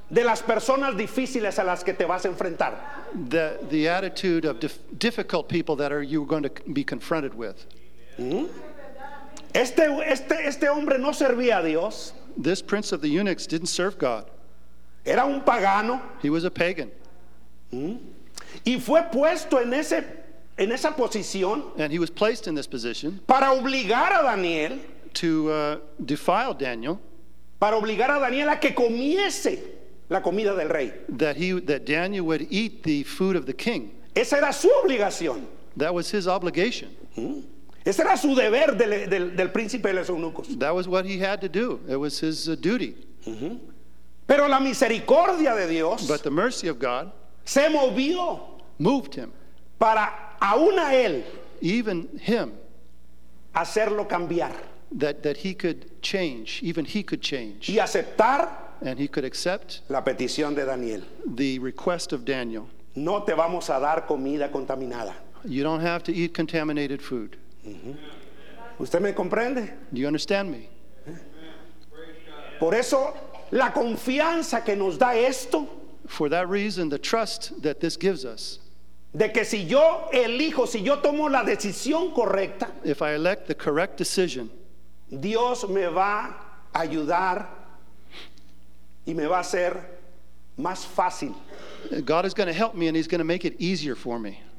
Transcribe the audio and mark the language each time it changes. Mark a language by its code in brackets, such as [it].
[es] De las personas difíciles a las que te vas a enfrentar. [en] The attitude of difficult people that are you're going to be confronted with. [es] Este hombre no servía a Dios. [en] This prince of the eunuchs didn't serve God. [es] Era un pagano. [en] He was a pagan. [es] Y fue puesto en ese en esa posición. [en] And he was placed in this position. [es] Para obligar a Daniel. [en] To defile Daniel. [es] para obligar a Daniel a que comiese la comida del rey. [en] That Daniel would eat the food of the king. [es] Esa era su obligación. [en] That was his obligation. [es] Ese era su deber del príncipe de los eunucos. [en] That was what he had to do. It was his duty. [es] Pero la misericordia de Dios, [en] but the mercy of God, [es] se movió, [en] moved him, [es] para aún a él, [en] even him, [es] hacerlo cambiar, [en] that he could change, even he could change, [es] y aceptar, [en] and he could accept, [es] la petición de Daniel, [en] the request of Daniel. [es] No te vamos a dar comida contaminada. [en] You don't have to eat contaminated food. [es] ¿Usted me comprende? [en] Do you understand me? [es] Por eso la confianza que nos da esto, [en] for that reason, the trust that this gives us, [es] de que si yo elijo, si yo tomo la decisión correcta, [en] if I elect the correct decision, [es] Dios me va a ayudar y me va a hacer más fácil. [en] God is going to help me and he's going to make it easier for me.